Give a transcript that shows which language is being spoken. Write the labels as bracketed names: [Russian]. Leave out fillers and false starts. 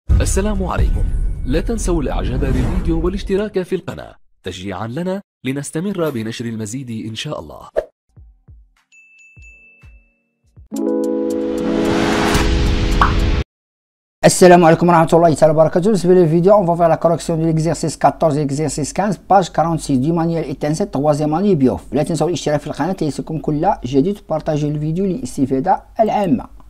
[Arabic] السلام عليكم، لا تنسوا الإعجاب بالفيديو والاشتراك في القناة تشجيعا لنا لنستمر بنشر المزيد إن شاء الله. السلام عليكم ورحمة الله تعالى وبركاته. بالنسبة للفيديو [French] on va faire la correction de l'exercice 14 exercice 15 page 46 du manuel intensif 3e année biof. [Arabic] لا تنسوا الاشتراك في القناة ليصلكم كل جديد وبارطاجوا الفيديو للاستفادة العامة.